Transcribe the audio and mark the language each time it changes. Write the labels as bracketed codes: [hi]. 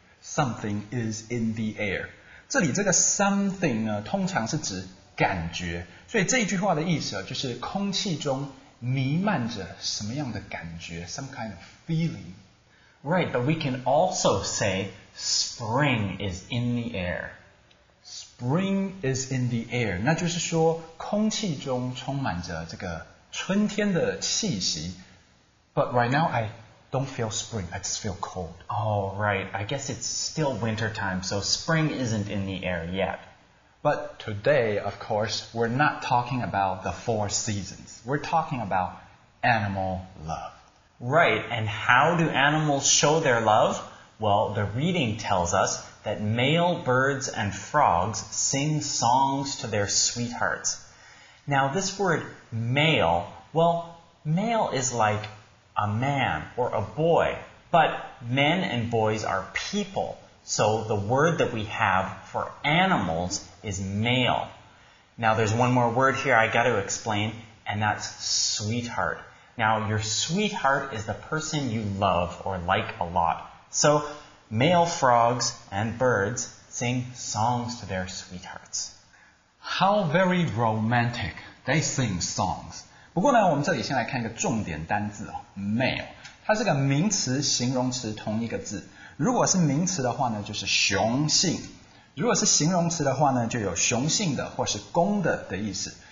[en] Something is in the air. [zh] 这里这个 something 呢通常是指感觉。所以这一句话的意思就是空气中弥漫着什么样的感觉 , [en] some kind of feeling. Right, but we can also say spring is in the air. Spring is in the air. [zh] 那就是说空气中充满着这个春天的气息。 [en] But right now, I don't feel spring. I just feel cold. Oh, right. I guess it's still winter time, so spring isn't in the air yet. But today, of course, we're not talking about the four seasons. We're talking about animal love. Right, and how do animals show their love? Well, the reading tells us that male birds and frogs sing songs to their sweethearts. Now, this word male, well, male is like a man or a boy, but men and boys are people, so the word that we have for animals is male. Now, there's one more word here I got to explain, and that's sweetheart. Now, your sweetheart is the person you love or like a lot. So, male frogs and birds sing songs to their sweethearts. How very romantic. They sing songs. [zh] 不过呢，我们这里先来看一个重点单字哦 ,male. 它是个名词、形容词同一个字。如果是名词的话呢，就是雄性。如果是形容词的话呢，就有雄性的或是公的的意思。